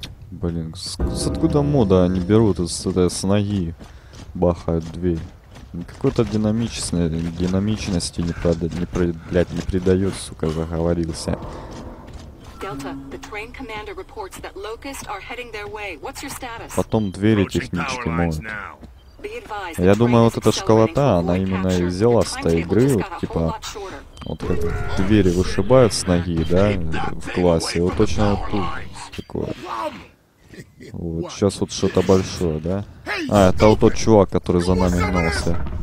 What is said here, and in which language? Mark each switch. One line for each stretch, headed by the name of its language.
Russian: Блин, с откуда мода они берут с ноги? Бахают дверь. Какой-то динамичности не придает, сука, заговорился.
English: Delta, the train commander reports that locusts are heading their way. What's your status?
Russian: Потом двери технички моют. Я думаю, вот эта школота, она именно и взяла с той игры, вот, типа, вот как двери вышибают с ноги, да, в классе, вот точно вот тут такое. Вот, сейчас вот что-то большое, да? А, это вот тот чувак, который за нами гнался.